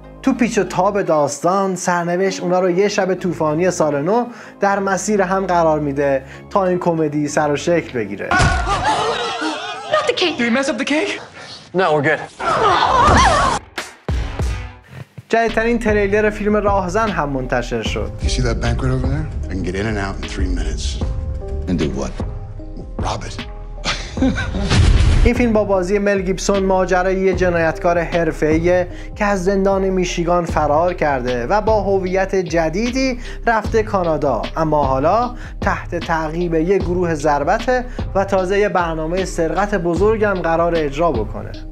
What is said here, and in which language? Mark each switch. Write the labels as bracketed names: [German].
[Persian] تو پیچ و تاب داستان سرنوشت اونا رو یه شب طوفانی سال نو در مسیر هم قرار میده تا این کمدی سر و شکل بگیره. جدیدترین تریلر فیلم راهزن هم منتشر شد. [English] You see that banquet over there? I can get in and out in 3 minutes. And do what? Rob it. [Persian] این فیلم با بازی مل گیبسون ماجرای یه جنایتکار حرفه‌ایه که از زندان میشیگان فرار کرده و با هویت جدیدی رفته کانادا، اما حالا تحت تعقیب یه گروه ضربته و تازه یه برنامه سرقت بزرگم قرار اجرا بکنه.